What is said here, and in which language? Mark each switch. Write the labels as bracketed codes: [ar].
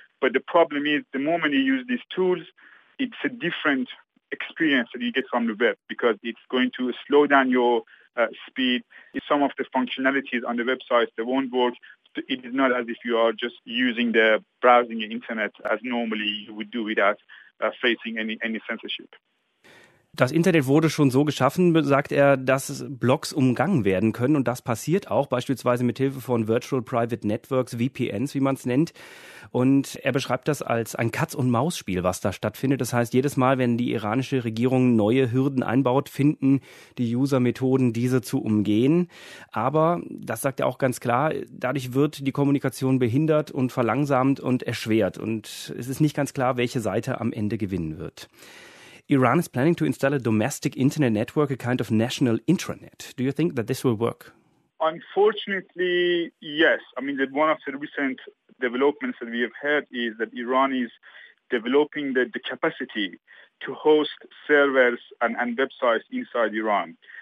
[en] But the problem is the moment you use these tools, it's a different experience that you get from the web because it's going to slow down your speed. Some of the functionalities on the websites, they won't work. It is not as if you are just using the browsing the internet as normally you would do without facing any censorship. [de] Das Internet wurde schon so geschaffen, sagt er, dass Blogs umgangen werden können. Und das passiert auch beispielsweise mit Hilfe von Virtual Private Networks, VPNs, wie man es nennt. Und er beschreibt das als ein Katz-und-Maus-Spiel, was da stattfindet. Das heißt, jedes Mal, wenn die iranische Regierung neue Hürden einbaut, finden die User Methoden, diese zu umgehen. Aber, das sagt er auch ganz klar, dadurch wird die Kommunikation behindert und verlangsamt und erschwert. Und es ist nicht ganz klar, welche Seite am Ende gewinnen wird. [en] Iran is planning to install a domestic internet network, a kind of national intranet. Do you think that this will work? Unfortunately, yes. I mean, one of the recent developments that we have heard is that Iran is developing the capacity to host servers and websites inside Iran.